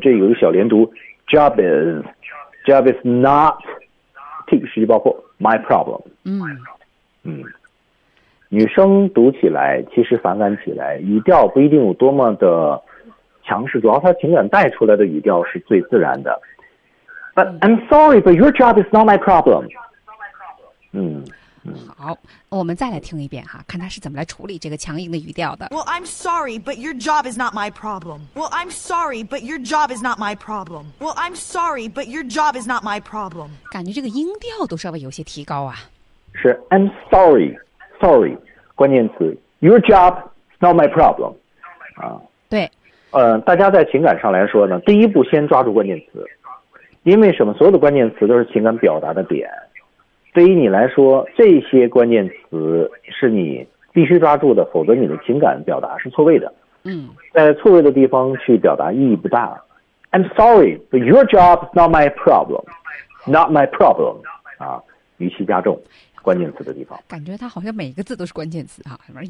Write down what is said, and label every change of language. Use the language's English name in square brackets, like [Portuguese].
[Chinese] 这有一个小连读 ， [English] job is not [Chinese] 提示句爆破 ， [English] my problem。嗯 [Chinese] 嗯，女生读起来其实反感起来，语调不一定有多么的强势，主要她情感带出来的语调是最自然的。 [English] But I'm sorry, but your job is not my problem。嗯。 [Chinese] 好，我们再来听一遍哈，看他是怎么来处理这个强硬的语调的。 [English] Well, I'm sorry, but your job is not my problem. Well, I'm sorry, but your job is not my problem. Well, I'm sorry, but your job is not my problem. [Chinese] 感觉这个音调都稍微有些提高啊。是 [English] ，I'm sorry, sorry， [Chinese] 关键词 [English] ，your job is not my problem， 啊。 [Chinese] 对。大家在情感上来说呢，第一步先抓住关键词，因为什么？所有的关键词都是情感表达的点。对于你来说，这些关键词是你必须抓住的，否则你的情感表达是错位的。嗯，在错位的地方去表达意义不大。 [English] I'm sorry, but your job is not my problem. Not my problem. [Chinese] 啊，语气加重，关键词的地方。感觉他好像每一个字都是关键词啊。